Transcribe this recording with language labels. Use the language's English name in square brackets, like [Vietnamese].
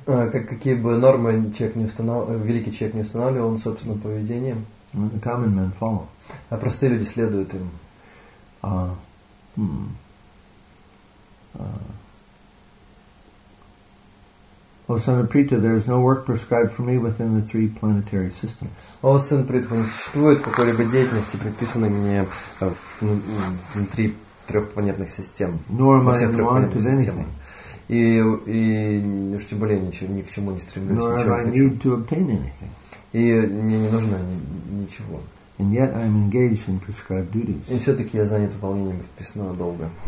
[Russian] Какие бы нормы человек не устанавливал, великий человек не устанавливал, он собственным поведением. [English] The common men follow. [Russian] А простые люди следуют им. [English] O son of Prita, there is no work prescribed for me within the three planetary systems. [Russian] О сын Притха, не существует какой-либо деятельности, предписанной мне внутри трехпланетных систем. [English] Nor am I invited to anything. [Russian] И уж тем более ничего, ни к чему не стремлюсь. [English] Nor am I need to obtain anything. [Russian] И мне не нужно ничего. [English] And yet I am engaged in prescribed duties. [Russian] И все-таки я занят выполнением предписанного долга.